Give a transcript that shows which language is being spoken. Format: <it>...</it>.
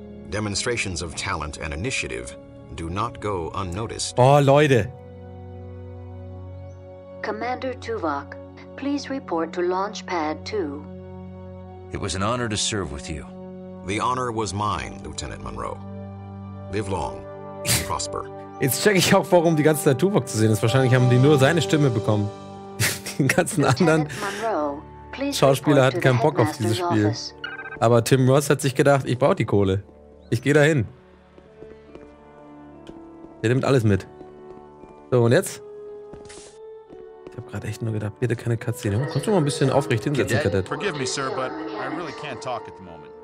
<en>Demonstrations of talent and initiative do not go unnoticed.</en> <de>Oh, Leute!</de> <en>Commander Tuvok, please report to Launch Pad 2. It was an honor to serve with you. The honor was mine, Lieutenant Monroe. Live long and prosper.</en> <de>Jetzt checke ich auch, warum die ganze Zeit Tuvok zu sehen ist. Wahrscheinlich haben die nur seine Stimme bekommen. Den ganzen anderen Schauspieler hatten keinen Bock auf dieses Spiel. Aber Tim Ross hat sich gedacht, ich brauche die Kohle. Ich gehe dahin. Der nimmt alles mit. So, und jetzt? Ich habe gerade echt nur gedacht, bitte keine Cutscene. Kannst du mal ein bisschen aufrecht hinsetzen, Kadett?</de> <en>Forgive me, sir, but I really can't talk at the moment.</en>